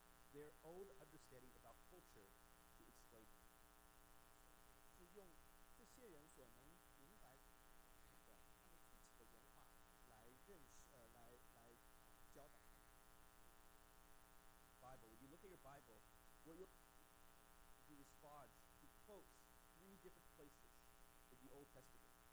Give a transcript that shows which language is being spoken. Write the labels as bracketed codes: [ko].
[en] their own understanding about culture to explain it. [zh] 是用这些人所能明白的他们自己的文化来认识来教导。 [en] Bible, when you look at your Bible, what you'll he responds, he quotes three different places in the Old Testament.